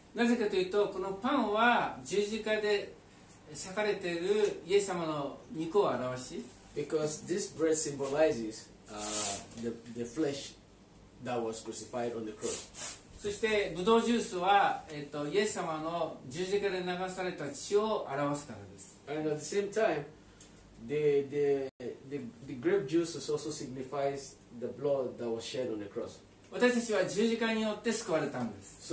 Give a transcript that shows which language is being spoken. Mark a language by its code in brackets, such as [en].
[ja] なぜかというと、このパンは十字架で裂かれているイエス様の肉を表し。 [en] Because this bread symbolizes the flesh that was crucified on the cross. [ja] そしてブドウジュースは、イエス様の十字架で流された血を表すからです。 [en] And at the same time, the grape juice also signifies the blood that was shed on the cross. [ja] 私たちは十字架によって救われたんです。